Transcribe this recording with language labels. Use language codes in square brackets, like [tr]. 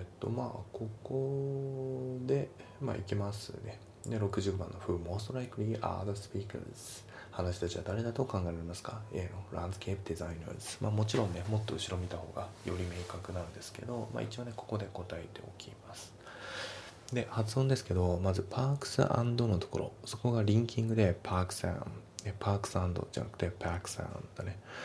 [ja] まあここで、まあいきますね。で60番の [en] Who most likely are the speakers? [ja] 話たちは誰だと考えられますか。A のランスケープデザイナーズ。まあもちろんね、もっと後ろ見た方がより明確なんですけど、まあ一応ねここで答えておきます。で発音ですけど、まずパークス&のところ、そこがリンキングでパークス&、パークス&じゃなくてパークス&だね。